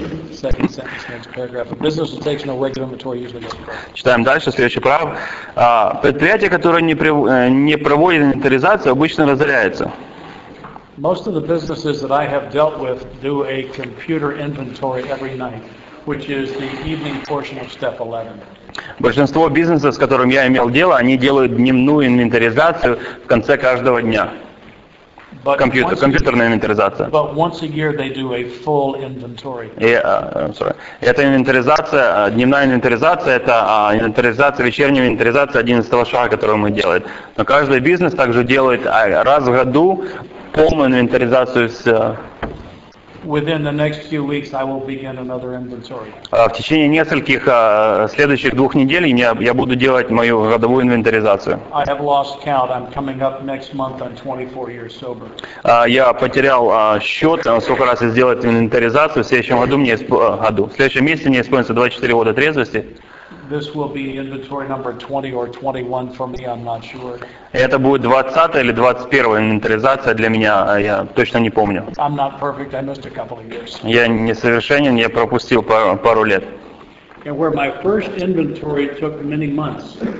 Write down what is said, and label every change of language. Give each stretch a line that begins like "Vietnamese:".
English: Second sentence, next paragraph. A business that takes no regular inventory usually doesn't grow.
Russian: Читаем дальше, следующий прав. Предприятие, которое не проводит инвентаризацию, обычно разоряется.
English: Most of the businesses that I have dealt with do a computer inventory every night, which is the evening portion of step 11.
Russian: Большинство бизнесов, с которыми я имел дело, они делают дневную инвентаризацию в конце каждого дня. Компьютерная инвентаризация.
English: But once a year they do a full inventory.
Russian: Это инвентаризация, дневная инвентаризация, это инвентаризация, вечерняя инвентаризация 11-го шага, который мы делаем. Но каждый бизнес также делает раз в году полную инвентаризацию с...
English: Within the next few weeks I will begin another inventory.
Russian: В течение нескольких следующих двух недель я буду делать мою годовую инвентаризацию.
English: I have lost count. I'm coming up next month. I'm 24 years sober.
Russian: Я потерял счет, сколько раз я сделал инвентаризацию. В следующем месяце мне исполнится 24 года трезвости.
English: This will be inventory number 20 or 21 for me, I'm not sure.
Russian: Это будет 20 или 21 инвентаризация для меня, я точно не помню.
English: I'm not perfect, I missed a couple of years.
Russian: Я несовершенен, я пропустил пару лет.
English: And where my first inventory took many months,